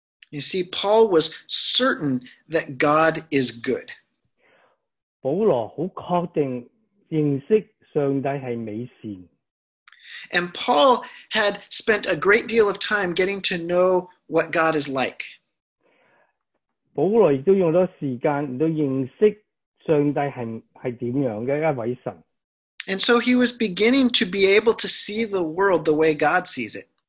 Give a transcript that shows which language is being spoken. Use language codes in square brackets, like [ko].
[en] you see, Paul was certain that God is good. [zh] 保罗很确定认识上帝是美善。 [en] And Paul had spent a great deal of time getting to know what God is like. And so he was beginning to be able to see the world the way God sees it.